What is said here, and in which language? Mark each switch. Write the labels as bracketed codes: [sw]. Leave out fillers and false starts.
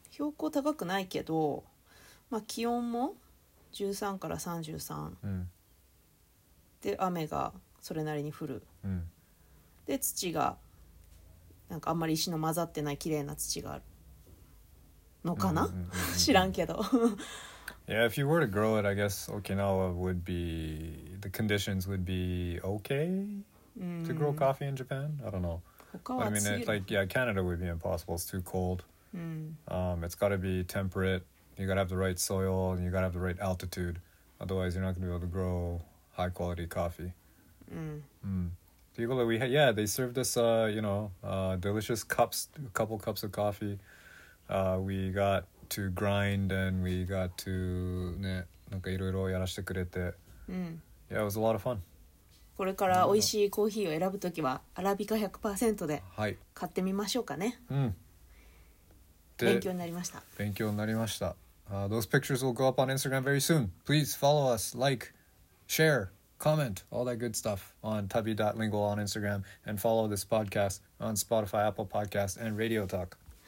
[ja] 標高高くないけど、まあ、気温も13から33、うん、で雨がそれなりに降る、うん、で土がなんかあんまり石の混ざってない綺麗な土があるのかな、知らんけど。 [en] Yeah, if you were to grow it, I guess Okinawa would be, the conditions would be okay to grow coffee in Japan. I don't know. But I mean, it, like, yeah, Canada would be impossible. It's too cold. It's got to be temperate. You got to have the right soil and you got to have the right altitude. Otherwise, you're not going to be able to grow high quality coffee. People that we had, yeah, they served us, delicious cups, a couple cups of coffee. We got to grind and we got to, ね、 [ja] なんかいろいろやらせてくれて。うん。 [en] Yeah, it was a lot of fun. [ja] これから美味しいコーヒーを選ぶときは、アラビカ 100% で買ってみましょうかね。はい、うん。勉強になりました。勉強になりました。 [en] Those pictures will go up on Instagram very soon. Please follow us, like, share. Comment all that good stuff on tabi.lingual on Instagram and follow this podcast on Spotify, Apple Podcasts, and Radio Talk.